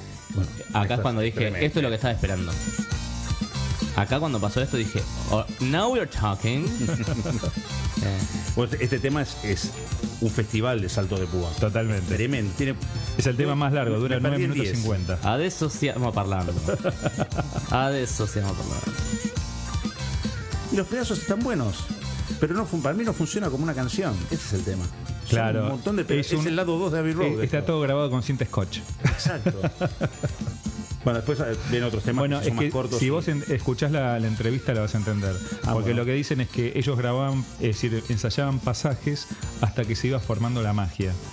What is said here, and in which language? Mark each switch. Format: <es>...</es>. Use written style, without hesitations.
<es>Bueno, acá es cuando dije, tremendo. Esto es lo que estaba esperando. Acá cuando pasó esto dije,</es> <en>now we're talking.</en> <es>Bueno, este tema es un festival de salto de púa. Totalmente. Tremendo. Tiene, es el tema más largo, dura 9 minutos 10. 50.</es> <it>Adesso stiamo parlando. Adesso stiamo parlando.</it> <es>Y los pedazos están buenos, pero no, para mí no funciona como una canción. Ese es el tema. Claro. Un montón de pedazos. Es el lado 2 de Abbey Road. Está todo grabado con cinta scotch. Exacto. Bueno, después vienen otros temas, bueno, que es son que más cortos. Si vos escuchás la entrevista, la vas a entender. Ah, porque bueno, lo que dicen es que ellos grababan, es decir, ensayaban pasajes hasta que se iba formando la magia.</es>